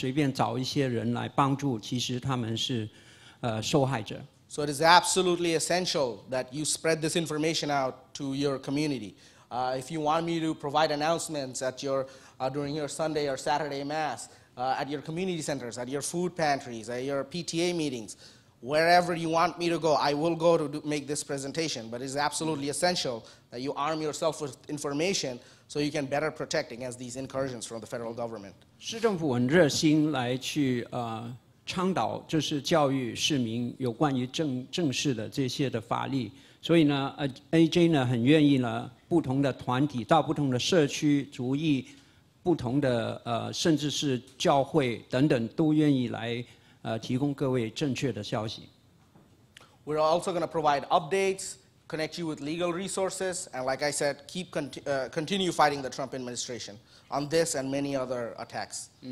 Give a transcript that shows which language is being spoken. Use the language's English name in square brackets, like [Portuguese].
[Chinese] 很多因为在这些社区里面，传说而不是真正的一个从政府而来的管道的消息的话，很容易误导了很多的移民，以致他们引起恐慌，然后随便找一些人来帮助，其实他们是。受害者。 [English] So it is absolutely essential that you spread this information out to your community. If you want me to provide announcements during your Sunday or Saturday mass, at your community centers, at your food pantries, at your PTA meetings, wherever you want me to go, I will go to make this presentation. But it's absolutely essential that you arm yourself with information so you can better protect against these incursions from the federal government. [Chinese] 市政府很热心来去倡导，就是教育市民有关于正式的这些的法律。所以呢，AJ呢很愿意呢，不同的团体到不同的社区，逐一不同的甚至是教会等等，都愿意来提供各位正确的消息。 [English] We're also going to provide updates, connect you with legal resources, and like I said, keep continue fighting the Trump administration on this and many other attacks.